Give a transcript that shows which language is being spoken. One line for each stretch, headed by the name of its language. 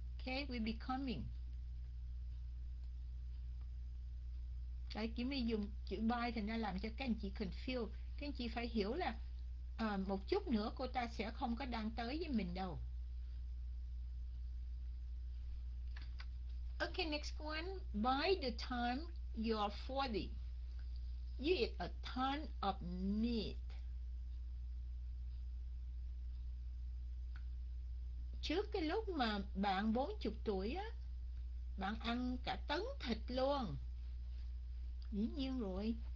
English: Okay, will be coming.
Vietnamese: Đấy, chỉ mới dùng chữ by thì nó làm cho các anh chị confused. Các anh chị phải hiểu là một chút nữa cô ta sẽ không có đang tới với mình đâu.
English: Okay, next one. By the time you are 40, you eat a ton of meat.
Vietnamese: Trước cái lúc mà bạn 40 tuổi á, bạn ăn cả tấn thịt luôn. Dĩ nhiên rồi.